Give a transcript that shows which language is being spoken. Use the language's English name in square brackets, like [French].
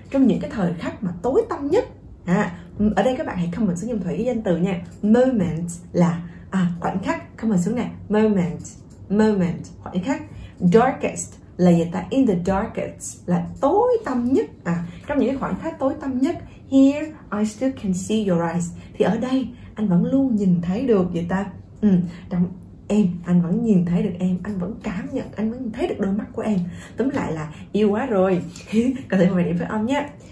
[Vietnamese] trong những cái thời khắc mà tối tăm nhất. Ở đây các bạn hãy comment xuống giùm Thủy cái danh từ nha. Moments là khoảnh khắc, comment xuống nè. Moment, khoảnh khắc. [English] Darkest [Vietnamese] là gì ta? [English] In the darkest [Vietnamese] là tối tăm nhất. Trong những khoảnh khắc tối tăm nhất. [English] Here I still can see your eyes. [Vietnamese] Thì ở đây anh vẫn luôn nhìn thấy được gì ta? Trong em, anh vẫn nhìn thấy được em. Anh vẫn cảm nhận, anh vẫn thấy được đôi mắt của em. Tóm lại là yêu quá rồi. Có thể mọi điểm phát âm nhé.